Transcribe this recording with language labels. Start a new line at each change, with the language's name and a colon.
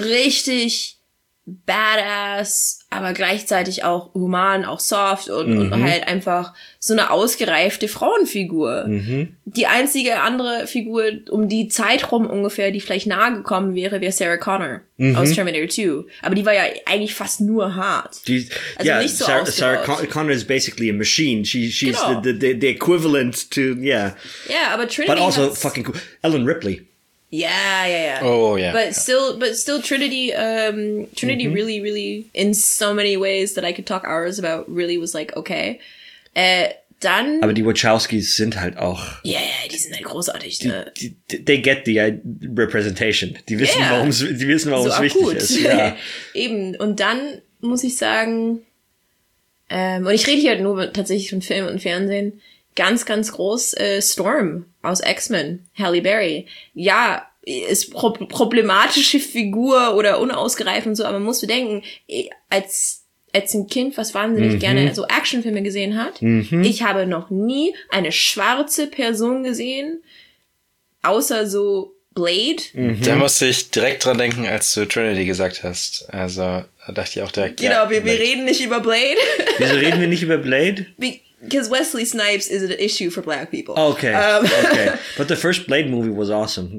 German: Richtig badass, aber gleichzeitig auch human, auch soft und halt einfach so eine ausgereifte Frauenfigur. Mhm. Die einzige andere Figur um die Zeit rum ungefähr, die vielleicht nahe gekommen wäre, wäre Sarah Connor aus Terminator 2. Aber die war ja eigentlich fast nur hart. Nicht so ausgereift.
English: Sarah Connor is basically a machine. She's
German: genau.
English: the equivalent to, yeah.
German: Yeah, aber Trinity
English: But also fucking cool. Ellen Ripley. Yeah. Oh, yeah. But still, Trinity mm-hmm. really, really, in so many ways that I could talk hours about, really was like, okay.
German: Dann. Aber die Wachowskis sind halt auch. Yeah, die sind halt großartig, ne?
English: They get the representation.
German: Die wissen, warum es so wichtig ist. Ja. Eben. Und dann muss ich sagen, und ich rede hier halt nur tatsächlich von Film und Fernsehen. Ganz, ganz groß Storm aus X-Men, Halle Berry. Ja, ist problematische Figur oder unausgereift und so, aber man muss bedenken, als ein Kind, was wahnsinnig gerne so Actionfilme gesehen hat, ich habe noch nie eine schwarze Person gesehen, außer so Blade. Da musste ich direkt dran denken, als du Trinity gesagt hast. Also da dachte ich auch direkt. Genau, ja, wir reden nicht über Blade. Wieso reden wir nicht über Blade?
English: Because Wesley Snipes is an issue for black people. Okay. Okay. But the first Blade movie was awesome.